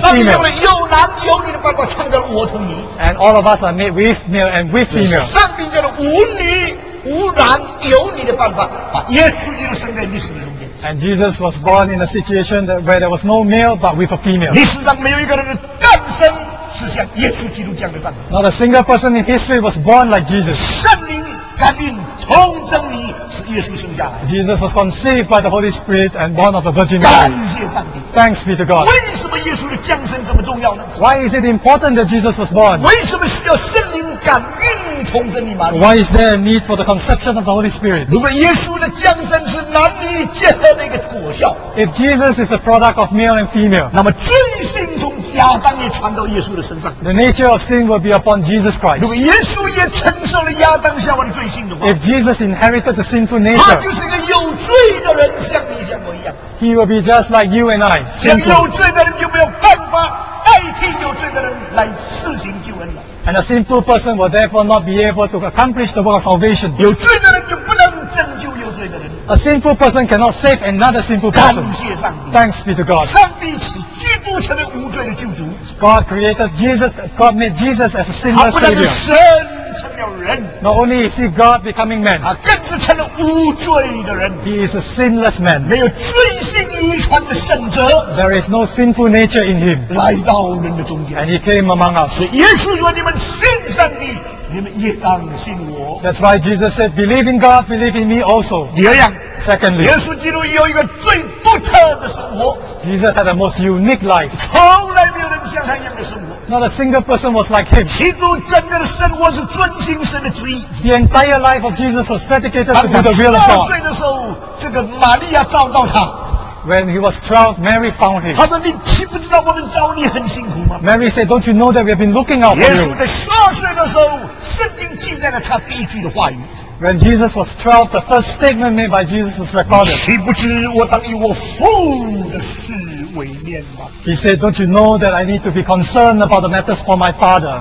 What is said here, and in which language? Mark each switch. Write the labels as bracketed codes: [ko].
[zh] 上帝用了有男有女的办法创造了我和你。 [en] And all of us are made with male and with female. [zh] 上帝用了无女无男有女的办法，把耶稣基督生在历史的中间。 [en] And Jesus was born in a situation that where there was no male but with a female. [zh] 历史上没有一个人的诞生。是像耶稣基督这样的样 [en] 子。Not a single person in history was born like Jesus. [zh] 圣灵感孕童贞里使耶稣生下来。 [en] Jesus was conceived by the Holy Spirit and born of the Virgin Mary. [zh] 感谢上帝。 [en] Thanks be to God. [zh] 为什么耶稣的降生这么重要呢 [en] ？Why is it important that Jesus was born? [zh] 为什么需要圣灵感孕童贞里吗 [en] ？Why is there a need for the conception of the Holy Spirit? [zh] 如果耶稣的降生是男女结合的一个果效 [en] ，If Jesus is a product of male and female， [zh] 那么罪性从亚当也传到耶稣的身上。 [en] The nature of sin will be upon Jesus Christ。 [zh] 如果耶稣也承受了亚当夏娃的罪性的话 [en] ，If Jesus inherited the sinful nature， [zh] 他就是一个有罪的人，像你像我一样。 [en] He will be just like you and I。 [zh] 像有罪的人就没有办法代替有罪的人来施行救恩了。 [en] And a sinful person will therefore not be able to accomplish the work of salvation。 [zh] 有罪的人就不能拯救有罪的人。 [en] A sinful person cannot save another sinful person。 [zh] 感谢上帝。 [en] Thanks be to God。 [zh] 上帝使基督成为无罪的救主。 [en] God created Jesus. God made Jesus as a sinless savior。 [zh] 他不但是神成了人。 [en] Not only is he God becoming man。 [zh] 他更是成了无罪的人。 [en] He is a sinless man。 [zh] 没有罪性遗传的圣者。 [en] There is no sinful nature in him。 [zh] 来到人的中间。 [en] And he came among us。 [zh] 是耶稣说：“你们信上帝。” 你们也当信我。 [en] That's why Jesus said, "Believe in God, believe in me also." [zh] 第二样 [en] ，Secondly， [zh] 耶稣基督有一个最独特的生活。 [en] Jesus had a most unique life. [zh] 从来没有人像他一样的生活。 [en] Not a single person was like him. [zh] 基督真正的生活是遵行神的旨意。 [en] The entire life of Jesus was dedicated to the will of God. [zh] 当他12岁的时候，这个玛利亚找到他。 [en] When he was 12, Mary found him. [zh] 他说：“你岂不知道我们找你很辛苦吗 [en] ？”Mary said, "Don't you know that we have been looking out for you?" [zh] 耶稣在12岁的时候，圣经记载了他第一句的话语。 [en] When Jesus was 12, the first statement made by Jesus was recorded. [zh] 岂不知我当以我父的事为念吗 [en] ？He said, "Don't you know that I need to be concerned about the matters for my Father?"